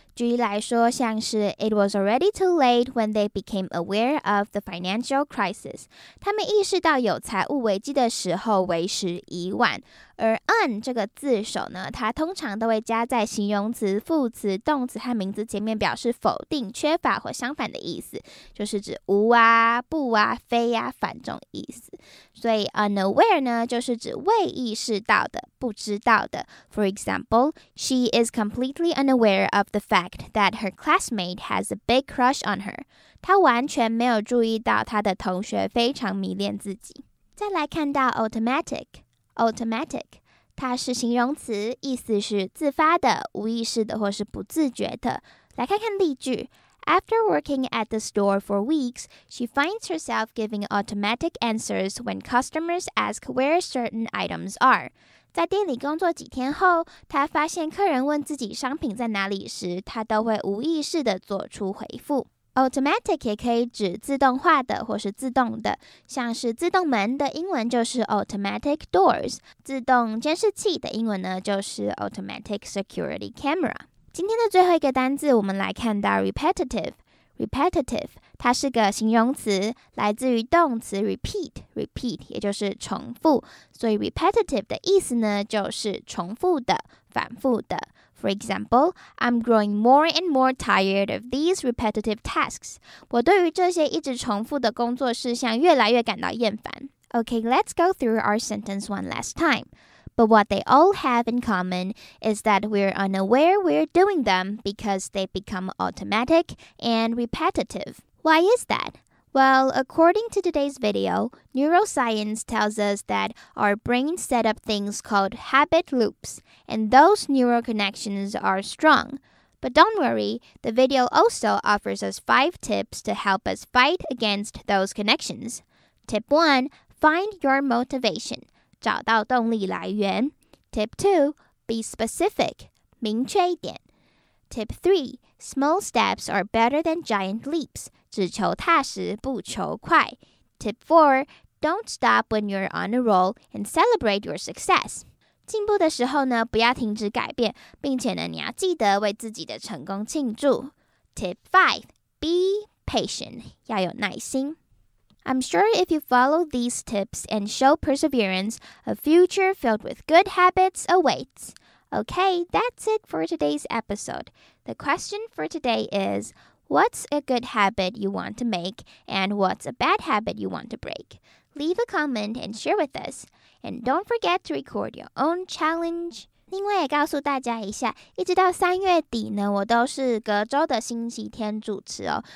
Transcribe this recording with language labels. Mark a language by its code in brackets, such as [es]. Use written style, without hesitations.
[zh] 举例来说，像是 [en] It was already too late when they became aware of the financial crisis. [zh] 他们意识到有财务危机的时候为时已晚。而 un 这个字首呢，它通常都会加在形容词、副词、动词和名词前面，表示否定、缺乏或相反的意思，就是指无啊、不啊、非啊、反这种意思。所以 unaware 呢，就是指未意识到的、不知道的。 [en] For example, she is completely unaware of the fact that her classmate has a big crush on her. [zh] 她完全没有注意到她的同学非常迷恋自己。再来看到 automatic。Automatic， 它是形容词，意思是自发的、无意识的或是不自觉的。来看看例句。 [en] After working at the store for weeks, she finds herself giving automatic answers when customers ask where certain items are. [zh] 在店里工作几天后，她发现客人问自己商品在哪里时，她都会无意识的做出回复。 Automatic 也可以指自动化的或是自动的，像是自动门的英文就是 [en] automatic doors， [zh] 自动监视器的英文呢就是 [en] automatic security camera。 [zh] 今天的最后一个单字，我们来看到 repetitive。Repetitive 它是个形容词，来自于动词 repeat， repeat 也就是重复，所以 repetitive 的意思呢就是重复的、反复的。 [en] For example, I'm growing more and more tired of these repetitive tasks. [zh] 我对于这些一直重复的工作事项越来越感到厌烦。 [en] Okay, let's go through our sentence one last time. But what they all have in common is that we're unaware we're doing them because they become automatic and repetitive. Why is that? Well, according to today's video, neuroscience tells us that our brains set up things called habit loops, and those neural connections are strong. But don't worry, the video also offers us 5 tips to help us fight against those connections. Tip 1, find your motivation. [zh] 找到动力来源. [en] Tip 2, be specific. [zh] 明确一点. [en] Tip 3, small steps are better than giant leaps. [zh] 只求踏实，不求快。 [en] Tip 4, don't stop when you're on a roll and celebrate your success. [zh] 进步的时候呢，不要停止改变，并且呢，你要记得为自己的成功庆祝。 [en] Tip 5, be patient, [zh] 要有耐心。 [en] I'm sure if you follow these tips and show perseverance, a future filled with good habits awaits. Okay, that's it for today's episode. The question for today is... What's a good habit you want to make, and what's a bad habit you want to break? Leave a comment and share with us. And don't forget to record your own challenge. [zh] 另外也告诉大家一下，一直到三月底呢，我都是隔周的星期天主持哦。